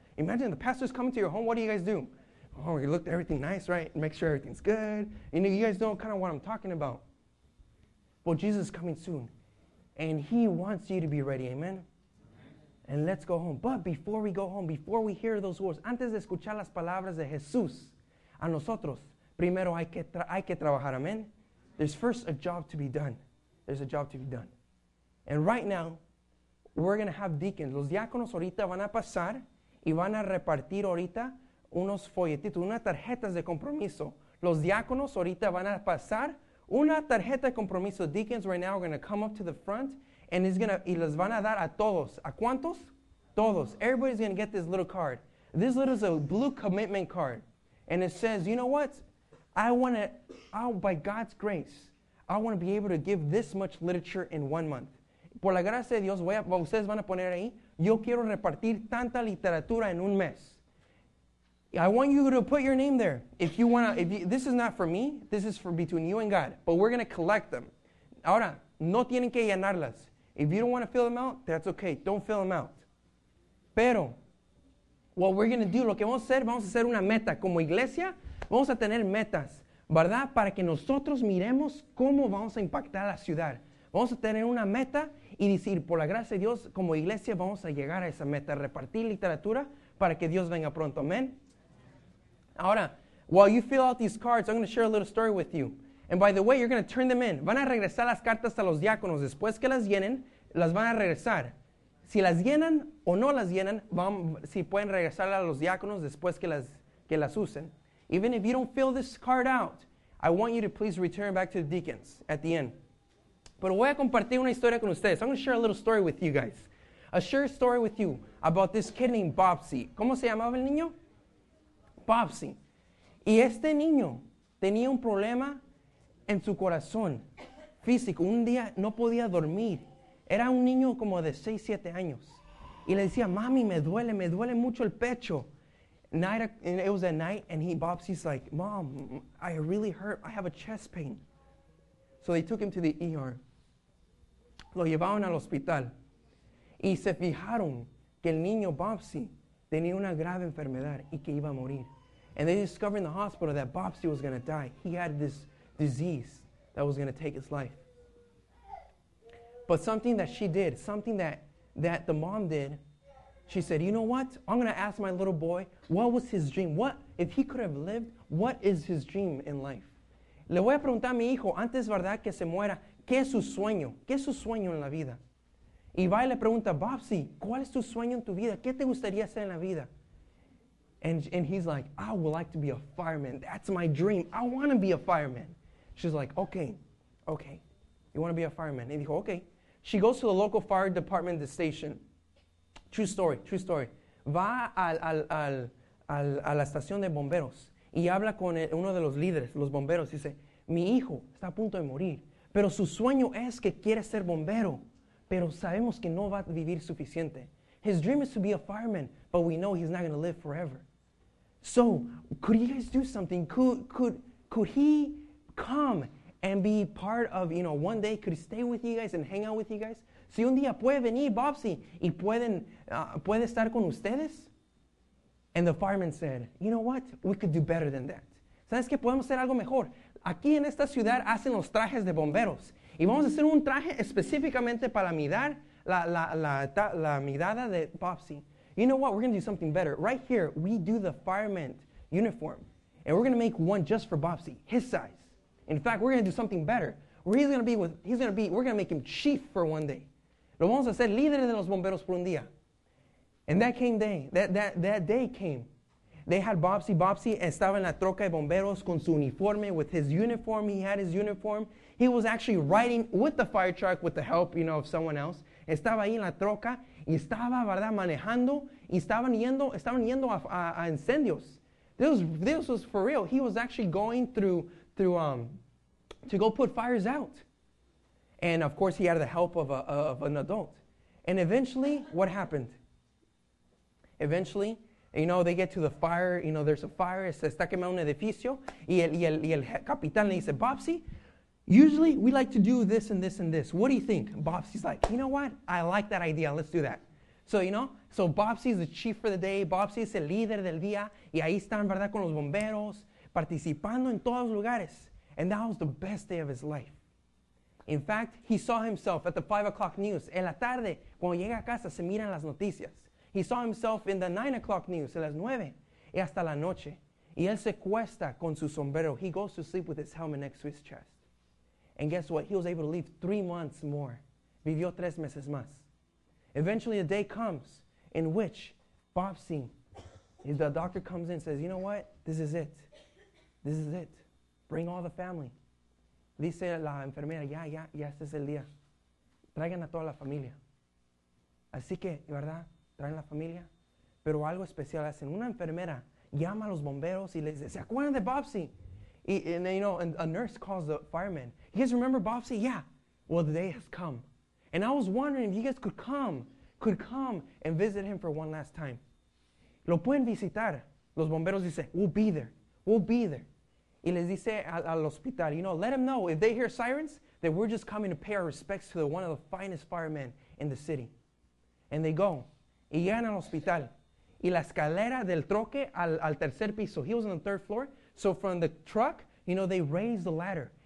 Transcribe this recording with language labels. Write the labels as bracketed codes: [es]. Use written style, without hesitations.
[en] Imagine the pastor's coming to your home. What do you guys do? Oh, you look at everything nice, right? Make sure everything's good. And you guys know kind of what I'm talking about. Well, Jesus is coming soon, and he wants you to be ready, amen? And let's go home. But before we go home, before we hear those words, [es] antes de escuchar las palabras de Jesús a nosotros, primero hay que trabajar, amen? [en] There's first a job to be done. There's a job to be done. And right now, we're going to have deacons. [es] Los diáconos ahorita van a pasar y van a repartir ahorita unos folletitos, unas tarjetas de compromiso. Los diáconos ahorita van a pasar una tarjeta de compromiso. [en] Deacons right now are going to come up to the front and [es] y les van a dar a todos. ¿A cuántos? Todos. [en] Everybody's going to get this little card. This little is a blue commitment card. And it says, you know what? By God's grace, I want to be able to give this much literature in 1 month. [es] Por la gracia de Dios, ustedes van a poner ahí, yo quiero repartir tanta literatura en un mes. [en] I want you to put your name there. If you want to, this is not for me. This is for between you and God. But we're going to collect them. [es] Ahora, no tienen que llenarlas. [en] If you don't want to fill them out, that's okay. Don't fill them out. [es] Pero, [en] what we're going to do, [es] lo que vamos a hacer una meta. Como iglesia, vamos a tener metas, ¿verdad? Para que nosotros miremos cómo vamos a impactar la ciudad. Vamos a tener una meta y decir, por la gracia de Dios, como iglesia, vamos a llegar a esa meta. Repartir literatura para que Dios venga pronto. Amén. Ahora, [en] while you fill out these cards, I'm going to share a little story with you. And by the way, you're going to turn them in. [es] Van a regresar las cartas a los diáconos. Después que las llenen, las van a regresar. Si las llenan o no las llenan, si pueden regresarlas a los diáconos después que las usen. [en] Even if you don't fill this card out, I want you to please return back to the deacons at the end. [es] Pero voy a compartir una historia con ustedes. [en] I'm going to share a little story with you guys. A short story with you about this kid named Bobsy. [es] ¿Cómo se llamaba el niño? Bobsy. Y este niño tenía un problema en su corazón físico. Un día no podía dormir. Era un niño como de 6, 7 años. Y le decía, mami, me duele mucho el pecho. [en] It was at night, and Bobsy's like, mom, I really hurt. I have a chest pain. So they took him to the ER. [es] Lo llevaron al hospital. Y se fijaron que el niño Bobsy tenía una grave enfermedad y que iba a morir. [en] And they discovered in the hospital that Bobsy was going to die. He had this disease that was going to take his life. But something that she did, something that the mom did, she said, you know what? I'm going to ask my little boy, what was his dream? What, if he could have lived, what is his dream in life? [es] Le voy a preguntar a mi hijo, antes, verdad, que se muera, ¿qué es su sueño? ¿Qué es su sueño en la vida? Y va y le pregunta, Bobsy, ¿cuál es tu sueño en tu vida? ¿Qué te gustaría hacer en la vida? [en] And he's like, I would like to be a fireman. That's my dream. I want to be a fireman. She's like, okay. You want to be a fireman? And he [es] dijo, [en] okay. She goes to the local fire department, the station. True story. [es] Va a la estación de bomberos y habla con uno de los líderes, los bomberos. Dice, mi hijo está a punto de morir, pero su sueño es que quiere ser bombero, pero sabemos que no va a vivir suficiente. [en] His dream is to be a fireman, but we know he's not going to live forever. So, could you guys do something? Could he come and be part of, you know, one day, could he stay with you guys and hang out with you guys? [es] Si un día puede venir, Bobsy, y puede estar con ustedes? [en] And the fireman said, you know what? We could do better than that. [es] ¿Sabes qué? Podemos hacer algo mejor. Aquí en esta ciudad hacen los trajes de bomberos. Y vamos a hacer un traje específicamente para mirar la mirada de Bobsy. [en] You know what? We're going to do something better. Right here, we do the fireman uniform. And we're going to make one just for Bobsy, his size. In fact, we're going to do something better. We're going to make him chief for one day. [es] Lo vamos a hacer líder de los bomberos por un día. [en] And that came day. That day came. They had Bobsy. [es] Bobsy estaba en la troca de bomberos con su uniforme, [en] with his uniform. He had his uniform. He was actually riding with the fire truck with the help, you know, of someone else. [es] Estaba ahí en la troca y estaba, verdad, manejando y estaban yendo a incendios. [en] This was for real. He was actually going through to go put fires out. And of course, he had the help of an adult. And eventually, what happened? Eventually, you know, they get to the fire. You know, there's a fire. [es] Se está quemando un edificio. Y el capitán le dice, [en] Bobsy, usually we like to do this and this and this. What do you think? Bobsy's like, you know what? I like that idea. Let's do that. So, you know, so Bobsy's the chief for the day. [es] Bobsy's el líder del día. Y ahí están, ¿verdad?, con los bomberos, participando en todos lugares. [en] And that was the best day of his life. In fact, he saw himself at the 5 o'clock news. [es] En la tarde, cuando llega a casa, se miran las noticias. [en] He saw himself in the 9 o'clock news, [es] en las 9, y hasta la noche. Y él se cuesta con su sombrero. [en] He goes to sleep with his helmet next to his chest. And guess what? He was able to live 3 months more. [es] Vivió 3 meses más. [en] Eventually, a day comes in which Bobsy, the doctor comes in and says, you know what? This is it. Bring all the family. [es] Dice la enfermera, ya, este es el día. Traigan a toda la familia. Así que, ¿verdad? Traen la familia. Pero algo especial hacen. Una enfermera llama a los bomberos y les dice, ¿se acuerdan de Bobsy? [en] And you know, and a nurse calls the fireman. You guys remember Bobsy? Yeah. Well, the day has come. And I was wondering if you guys could come and visit him for one last time. [es] Lo pueden visitar. Los bomberos dicen, [en] we'll be there. [es] Y les dice al hospital, [en] you know, let them know if they hear sirens, that we're just coming to pay our respects to one of the finest firemen in the city. And they go. [es] Y llegan al hospital. Y la escalera del troque al tercer piso. [en] He was on the third floor. So from the truck, you know, they raise the ladder.